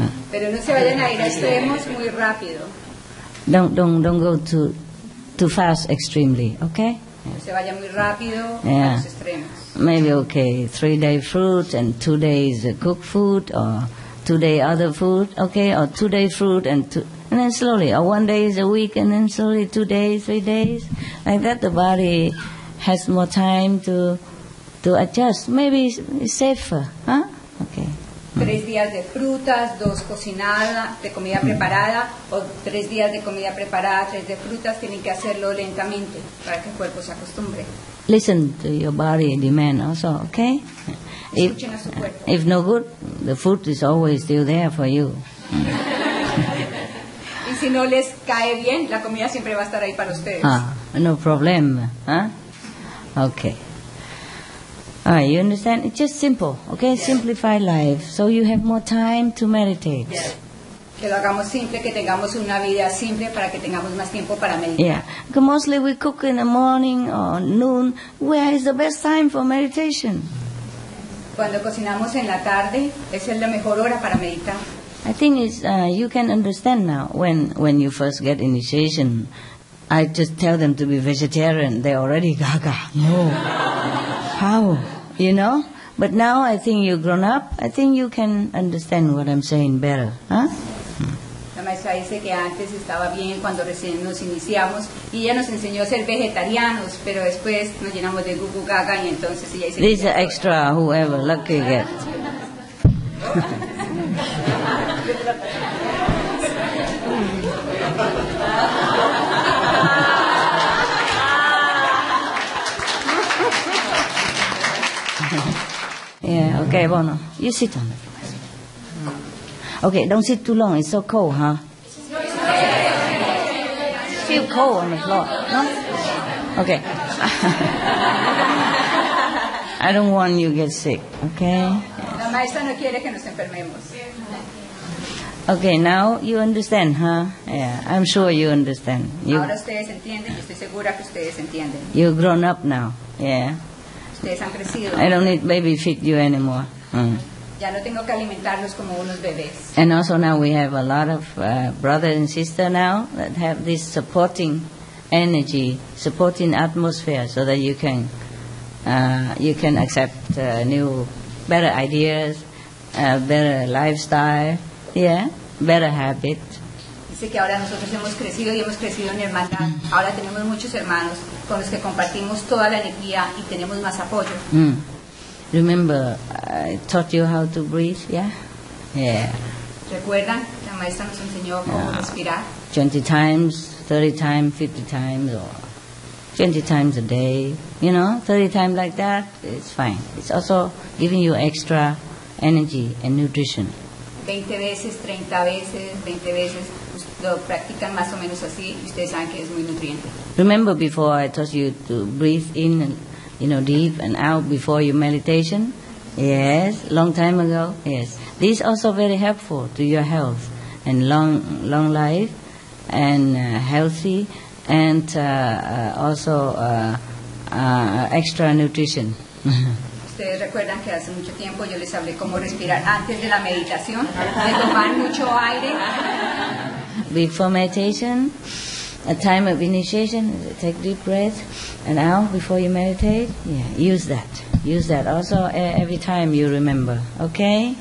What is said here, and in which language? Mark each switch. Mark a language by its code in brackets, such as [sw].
[es] Pero no se vayan a ir a extremos muy rápido. [en] Don't go too fast extremely, okay? [es] No se vayan muy rápido a los extremos. [en] Maybe okay, 3 day fruit and 2 days cooked food, or 2 day other food, okay, or 2 day fruit and then slowly, or 1 day is a week and then slowly 2 days, 3 days, like that the body has more time to adjust. Maybe it's safer, huh? Okay. [es] 3 días de frutas, 2 cocinada, de comida preparada, o 3 días de comida preparada, 3 de frutas, tienen que hacerlo lentamente para que el cuerpo se acostumbre. [en] Listen to your body demand also, okay? [es] Escuchen a su cuerpo. [en] If no good, the food is always still there for you. [es] Y si no les cae bien, la comida siempre va a estar ahí para ustedes. [en] Ah, no problem, huh? Okay. Alright, you understand? It's just simple, okay? Yes. Simplify life so you have more time to meditate. Yes. [es] Que lo hagamos simple, que tengamos una vida simple para que tengamos más tiempo para meditar. [en] Yeah. Because mostly we cook in the morning or noon. Where is the best time for meditation? [es] Cuando cocinamos en la tarde, esa es la mejor hora para meditar. [en] I think it's, you can understand now when you first get initiation. I just tell them to be vegetarian. They're already gaga. No. How? You know? But now I think you've grown up. I think you can understand what I'm saying better. Huh? [es] La maestra dice que antes estaba bien cuando recién nos iniciamos. Y ella nos enseñó a ser vegetarianos, pero después nos llenamos de gugu gaga y entonces ella dice... [en] This is extra, whoever, lucky get. Yeah, okay, bueno. You sit on it. Okay, don't sit too long. It's so cold, huh? Feel cold on the floor, no? Okay. I don't want you to get sick, okay? [es] La maestra no quiere que nos enfermemos. [en] Okay, now you understand, huh? Yeah, I'm sure you understand. [es] Ahora ustedes entienden. Estoy segura que ustedes entienden. [en] You've grown up now, yeah? I don't need baby feed you anymore. [es] Ya no tengo que alimentarlos como unos bebés. [en] And also now we have a lot of brothers and sisters now that have this supporting energy, supporting atmosphere, so that you can accept new, better ideas, better lifestyle, yeah, better habit. [es] Dice que ahora nosotros hemos crecido y hemos crecido en hermandad. Ahora tenemos muchos hermanos con los que compartimos toda la energía y tenemos más apoyo. [en] Remember, I taught you how to breathe, yeah? Yeah. [es] ¿Recuerdan? La maestra nos enseñó cómo respirar. [en] 20 times, 30 times, 50 times, or 20 times a day. You know, 30 times like that, it's fine. It's also giving you extra energy and nutrition. [es] 20 veces, 30 veces, 20 veces. Lo practican más o menos así y ustedes saben que es muy nutriente. [en] Remember before I taught you to breathe in, you know, deep and out before your meditation? Yes, long time ago, yes. This is also very helpful to your health and long life and healthy and also extra nutrition. [es] ¿Ustedes recuerdan que hace mucho tiempo yo les hablé cómo respirar antes de la meditación? De tomar mucho aire. [en] Before meditation, a time of initiation, take deep breath, and out before you meditate. Yeah, use that. Use that also every time you remember, okay?